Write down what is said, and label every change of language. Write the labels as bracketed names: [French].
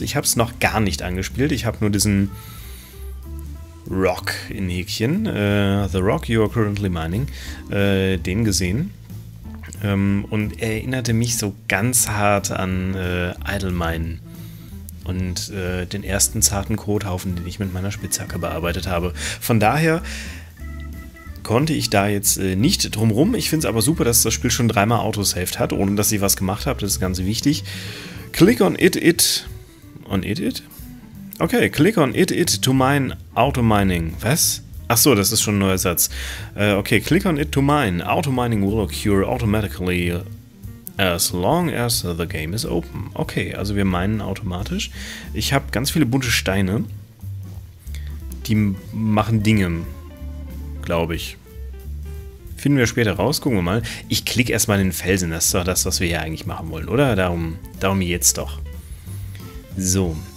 [German] Ich habe es noch gar nicht angespielt, ich habe nur diesen Rock in Häkchen, [English] The Rock You Are Currently Mining, [German] den gesehen und er erinnerte mich so ganz hart an Idle Mine und den ersten zarten Kothaufen, den ich mit meiner Spitzhacke bearbeitet habe. Von daher konnte ich da jetzt nicht drumrum. Ich finde es aber super, dass das Spiel schon dreimal Autosaved hat, ohne dass ich was gemacht habe. Das ist ganz wichtig. [English] Click on it. On it? Okay, click on it to mine auto-mining. [German] Was? Achso, das ist schon ein neuer Satz. [English] Okay, click on it to mine. Auto-mining will occur automatically as long as the game is open. [German] Okay, also wir minen automatisch. Ich habe ganz viele bunte Steine. Die machen Dinge, glaube ich. Finden wir später raus, gucken wir mal. Ich klicke erstmal den Felsen, das ist doch das, was wir hier eigentlich machen wollen, oder? Darum jetzt doch. So.